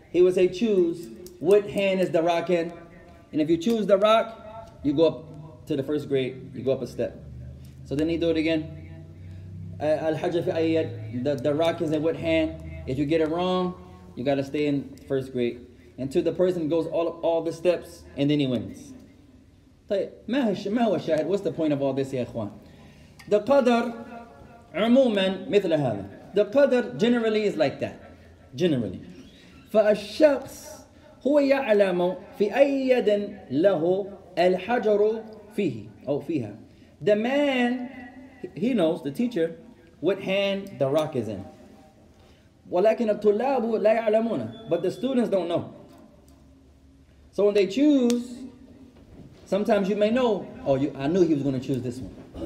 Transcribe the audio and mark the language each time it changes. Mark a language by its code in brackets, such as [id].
[en] He will say, choose what hand is the rock in. And if you choose the rock, you go up to the first grade, you go up a step. So then he do it again. [ar] الْحَجْرُ فِي أَيَّدْ. [en] The rock is in what hand. If you get it wrong, you gotta stay in first grade. Until the person goes all the steps, and then he wins. [ar] طيب ما هش ما هو الشاهد؟ [en] What's the point of all this [ar] يا إخوان؟ The قدر عموما مثل هذا. [en] The قدر generally is like that. Generally. [ar] فالشخص هو يعلم في أي يد له الحجر فيه أو فيها. [en] The man, he knows, the teacher, what hand the rock is in. [ar] ولكن الطلاب لا يعلمونه. [en] But the students don't know. So when they choose, sometimes you may know, oh, I knew he was going to choose this one.